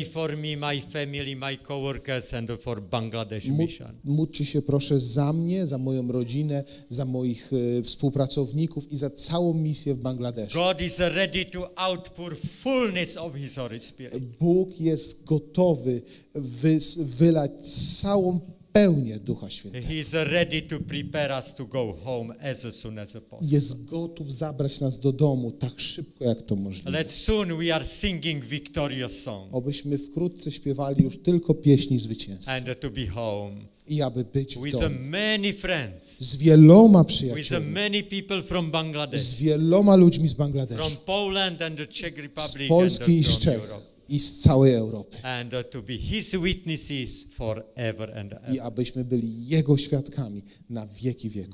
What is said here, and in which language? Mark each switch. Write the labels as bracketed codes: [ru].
[en] Pray for me, my family, my coworkers, and for Bangladesh mission. [pl] Módlcie się proszę za mnie, za moją rodzinę, za moich współpracowników i za całą misję w Bangladeszu. [en] God is ready to outpour fullness of His Holy Spirit. [pl] Bóg jest gotowy wylać całą pełnię Ducha Świętego. [en] He is ready to prepare us to go home as soon as possible. [pl] Jest gotów zabrać nas do domu tak szybko jak to możliwe. [en] Let soon we are singing victorious song. [pl] Obyśmy wkrótce śpiewali już tylko pieśni zwycięstwa. [en] And to be home. [pl] I aby być w [en] with [pl] domu. [en] Many friends. [pl] Z wieloma przyjaciółmi. [en] With many people from Bangladesh. [pl] Z wieloma ludźmi z Bangladeszu. [en] From Poland and the Czech Republic. [pl] Z Polski i z Czech. I z całej Europy. [en] And to be his witnesses forever and ever. [pl] I abyśmy byli jego świadkami na wieki wieków.